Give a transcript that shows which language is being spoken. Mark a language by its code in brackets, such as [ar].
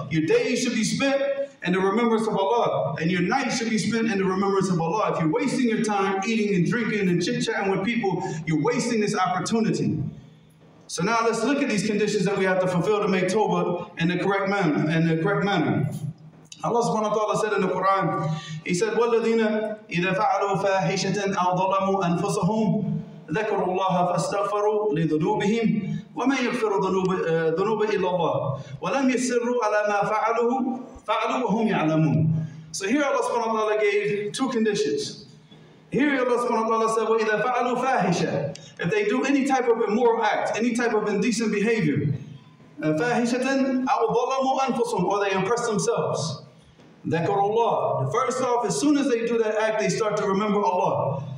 [en] Your day should be spent in the remembrance of Allah. And your night should be spent in the remembrance of Allah. If you're wasting your time eating and drinking and chit-chatting with people, you're wasting this opportunity. So now let's look at these conditions that we have to fulfill to make Tawbah in the correct manner. Allah subhanahu wa ta'ala said in the Quran, He said, [ar] وَالَّذِينَ إِذَا فَعَلُوا فَاحِشَةً أَوْ ظَلَمُوا أَنفُسَهُمْ ذَكَرُوا اللَّهَ فَاسْتَغْفَرُوا لِذُنُوبِهِمْ وَمَنْ يَغْفِرُ ذُنُوبَ إِلَّا اللَّهِ وَلَمْ يَسِرُّوا عَلَى مَا فَعَلُوا وَهُمْ يَعْلَمُونَ [en] So here Allah subhanahu wa ta'ala gave two conditions. Here Allah subhanahu wa ta'ala said, [ar] وَإِذَا فَعَلُوا فَاحِشَةً [en] If they do any type of immoral act, any type of indecent behavior, [ar] فَاهِشَةً أَوْ ظَلَمُوا أَنفُسُهُمْ [en] Or they impress themselves. [ar] ذَكَرُوا اللَّهِ [en] First off, as soon as they do that act, they start to remember Allah.